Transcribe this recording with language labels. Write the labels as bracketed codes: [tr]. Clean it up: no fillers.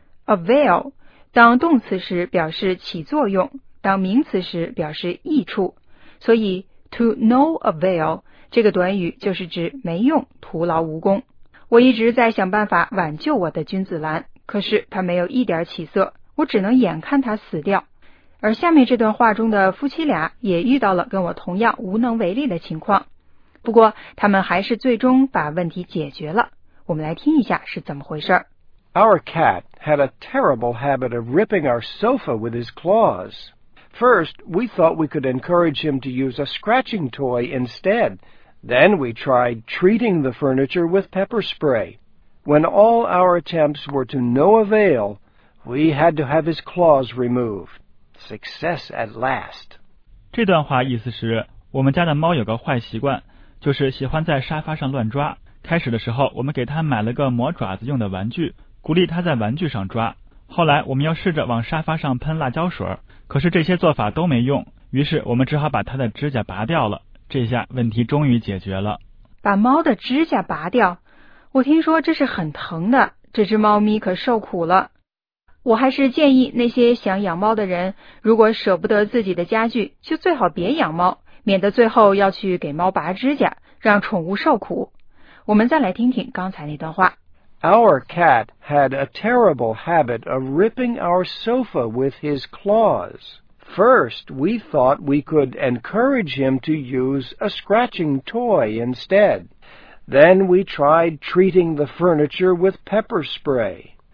[zh] Avail 当动词时表示起作用当名词时表示益处所以 To no avail这个短语就是指没用徒劳无功我一直在想办法挽救我的君子兰可是它没有一点起色我只能眼看它死掉而下面这段话中的夫妻俩也遇到了跟我同样无能为力的情况不过他们还是最终把问题解决了我们来听一下是怎么回事 [en] Our cat had a terrible habit of ripping our sofa with his claws. First, we thought we could encourage him to use a scratching toy instead. Then we tried treating the furniture with pepper spray. When all our attempts were to no avail, we had to have his claws removed. Success at last. [zh] 这段话意思是，我们家的猫有个坏习惯，就是喜欢在沙发上乱抓。开始的时候，我们给它买了个磨爪子用的玩具，鼓励它在玩具上抓。后来，我们又试着往沙发上喷辣椒水，可是这些做法都没用，于是我们只好把它的指甲拔掉了。这下问题终于解决了。把猫的指甲拔掉，我听说这是很疼的，这只猫咪可受苦了。我还是建议那些想养猫的人，如果舍不得自己的家具，就最好别养猫，免得最后要去给猫拔指甲，让宠物受苦。我们再来听听刚才那段话。 [en] Our cat had a terrible habit of ripping our sofa with his claws. First, we thought we could encourage him to use a scratching toy instead. Then we tried treating the furniture with pepper spray.